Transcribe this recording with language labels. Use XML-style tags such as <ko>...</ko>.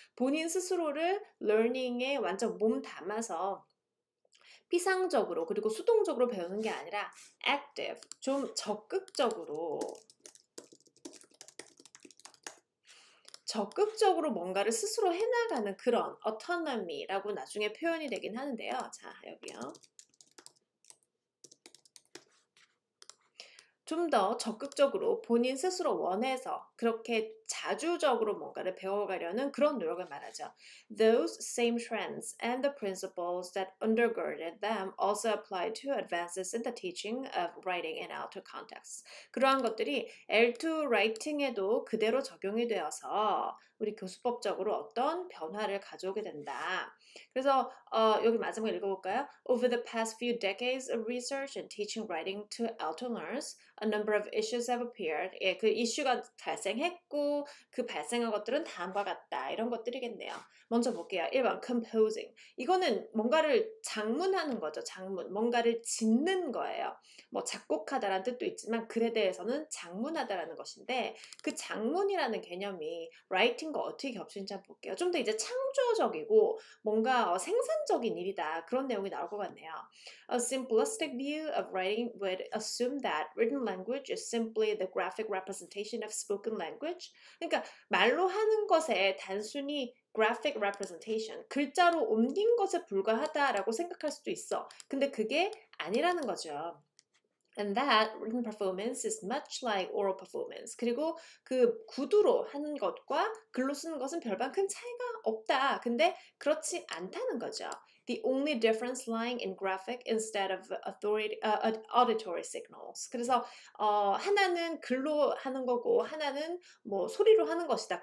<ko>본인 스스로를 러닝에 완전 몸 담아서 피상적으로 그리고 수동적으로 배우는 게 아니라 active, 좀 적극적으로 뭔가를 스스로 해나가는 그런 autonomy라고 나중에 표현이 되긴 하는데요. 자, 여기요. 좀더 적극적으로 본인 스스로 원해서 그렇게 자주적으로 뭔가를 배워가려는 그런 노력을 말하죠.</ko> <en>Those same trends and the principles that undergirded them also apply to advances in the teaching of writing in L2 contexts.</en> <ko>그러한 것들이 L2 writing에도 그대로 적용이 되어서 우리 교수법적으로 어떤 변화를 가져오게 된다. 그래서 여기 마지막에 읽어볼까요?</ko> <en>Over the past few decades of research and teaching writing to L2 learners, a number of issues have appeared.</en> <ko>예, 그 이슈가 발생했고 그 발생한 것들은 다음과 같다. 이런 것들이겠네요. 먼저 볼게요. 1번 composing. 이거는 뭔가를 작문하는 거죠. 작문. 뭔가를 짓는 거예요. 뭐 작곡하다라는 뜻도 있지만 글에 대해서는 작문하다라는 것인데 그 작문이라는 개념이 라이팅과 어떻게 겹치는지 한번 볼게요. 좀더 이제 창조적이고 뭔가 생산적인 일이다. 그런 내용이 나올 것 같네요.</ko> <en>A simplistic view of writing would assume that written language is simply the graphic representation of spoken language.</en> <ko>그러니까 말로 하는 것에 단순히 graphic representation, 글자로 옮긴 것에 불과하다라고 생각할 수도 있어. 근데 그게 아니라는 거죠.</ko> <en>And that written performance is much like oral performance.</en> <ko>그리고 그 구두로 한 것과 글로 쓰는 것은 별반 큰 차이가 없다. 근데 그렇지 않다는 거죠.</ko> <en>The only difference lying in graphic instead of authority, auditory signals.</en> <ko>그래서 하나는 글로 하는 거고 하나는 뭐 소리로 하는 것이다.</ko>